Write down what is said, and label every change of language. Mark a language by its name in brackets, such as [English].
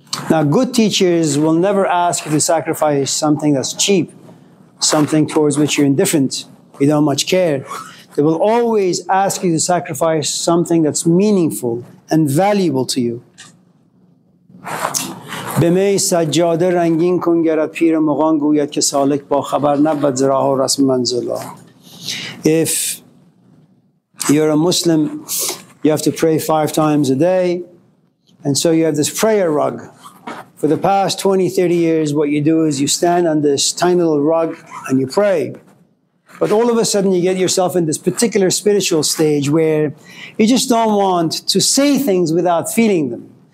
[English] Now, good teachers will never ask you to sacrifice something that's cheap, something towards which you're indifferent, you don't much care. They will always ask you to sacrifice something that's meaningful and valuable to you. [Persian] به می سجاده رنگین کن گرد پیر مغان گوید که سالک با خبر نبود زراح و رسم منزلا. [English] If you're a Muslim, you have to pray 5 times a day. And so you have this prayer rug. For the past 20-30 years, what you do is you stand on this tiny little rug and you pray. But all of a sudden you get yourself in this particular spiritual stage where you just don't want to say things without feeling them.